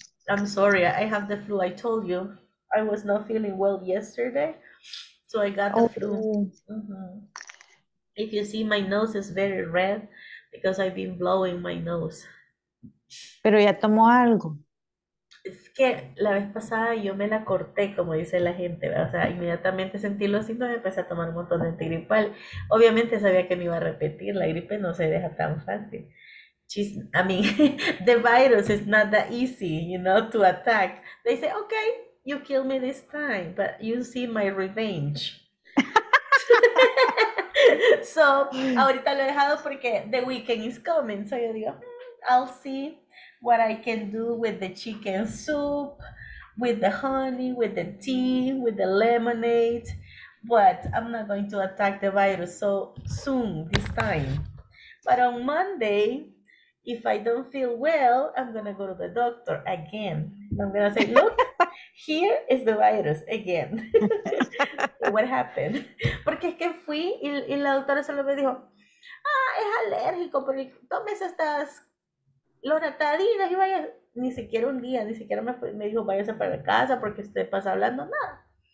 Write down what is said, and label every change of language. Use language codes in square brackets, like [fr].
[en] I'm sorry, I have the flu. I told you I was not feeling well yesterday, so I got the flu. If you see, my nose is very red because I've been blowing my nose. [es] Pero ya tomó algo. Es que la vez pasada yo me la corté, como dice la gente, ¿verdad? O sea, inmediatamente sentí los síntomas y empecé a tomar un montón de antigripal. Obviamente sabía que me iba a repetir, la gripe no se deja tan fácil. [en] The virus is not that easy, you know, to attack. They say, okay, you kill me this time, but you see my revenge. [es] So, ahorita lo he dejado porque [en] the weekend is coming. So, [es] yo digo, [en] I'll see what I can do with the chicken soup, with the honey, with the tea, with the lemonade. But I'm not going to attack the virus so soon this time. But on Monday, if I don't feel well, I'm going to go to the doctor again. And I'm going to say, look, here is the virus again. What happened? [es] Porque es que fui y la doctora solo me dijo, ah, es alérgico, porque tomes estas loratadinas y vaya, ni siquiera un día, ni siquiera me dijo, váyase para la casa porque usted pasa hablando nada.